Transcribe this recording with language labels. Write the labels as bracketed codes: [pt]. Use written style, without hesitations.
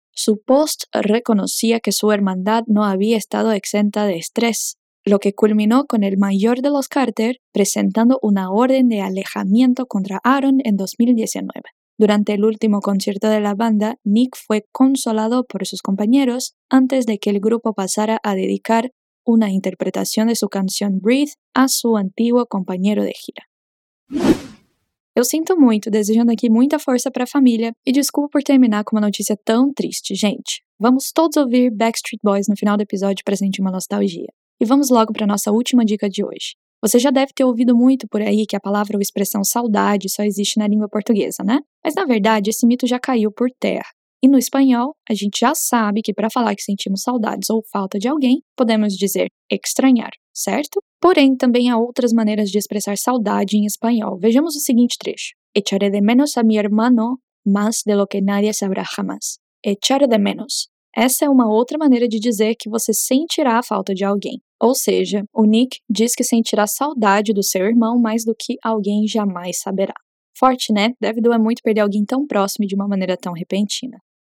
[es] Su post reconocía que su hermandad no había estado exenta de estrés, lo que culminó con el mayor de los Carter presentando una orden de alejamiento contra Aaron en 2019. Durante el último concierto de la banda, Nick fue consolado por sus compañeros antes de que el grupo pasara a dedicar una interpretación de su canción Breathe a su antiguo compañero de gira. [pt] Eu sinto muito, desejando aqui muita força para a família e desculpa por terminar com uma notícia tão triste, gente. Vamos todos ouvir Backstreet Boys no final do episódio para sentir uma nostalgia. E vamos logo para a nossa última dica de hoje. Você já deve ter ouvido muito por aí que a palavra ou expressão saudade só existe na língua portuguesa, né? Mas na verdade, esse mito já caiu por terra. E no espanhol, a gente já sabe que para falar que sentimos saudades ou falta de alguém, podemos dizer extrañar, certo? Porém, também há outras maneiras de expressar saudade em espanhol. Vejamos o seguinte trecho. [es] Echaré de menos a mi hermano más de lo que nadie sabrá jamás. Echar de menos. [pt] Essa é uma outra maneira de dizer que você sentirá a falta de alguém. Ou seja, o Nick diz que sentirá saudade do seu irmão mais do que alguém jamais saberá. Forte, né? Deve doer muito perder alguém tão próximo e de uma maneira tão repentina.